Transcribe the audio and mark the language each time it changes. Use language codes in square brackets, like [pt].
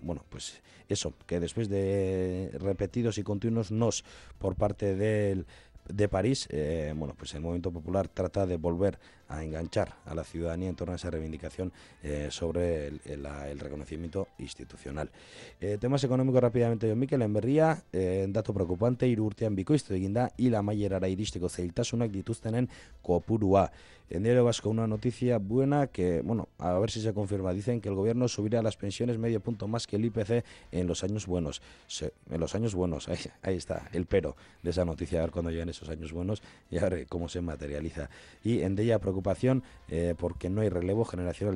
[es] Bueno, pues eso, que después de repetidos y continuos nos por parte de París, bueno, pues el Movimiento Popular trata de volver a enganchar a la ciudadanía en torno a esa reivindicación sobre el reconocimiento institucional. Temas económicos rápidamente, Jon Mikel, en Berria, dato preocupante, [eu] hiru urtean bikoiztu egin da hil amaierara iristeko zailtasunak dituztenen kopurua. [es] En Diario Vasco, una noticia buena que, bueno, a ver si se confirma. Dicen que el gobierno subirá las pensiones medio punto más que el IPC en los años buenos. En los años buenos, ahí está el pero de esa noticia, a ver cuando lleguen esos años buenos y a ver cómo se materializa. Y en Deia, preocupación porque no hay relevo generacional.